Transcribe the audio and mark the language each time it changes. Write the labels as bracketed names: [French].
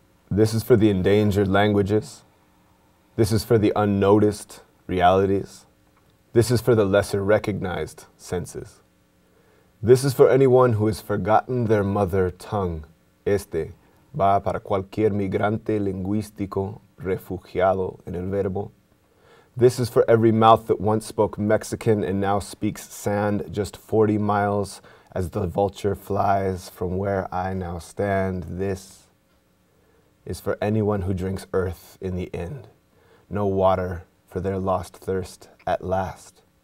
[English] This is for the endangered languages. This is for the unnoticed realities. This is for the lesser recognized senses. This is for anyone who has forgotten their mother tongue. [Spanish] Este va para cualquier migrante lingüístico refugiado en el verbo. [English] This is for every mouth that once spoke Mexican and now speaks sand just 40 miles as the vulture flies from where I now stand. This is for anyone who drinks earth in the end. No water for their lost thirst at last.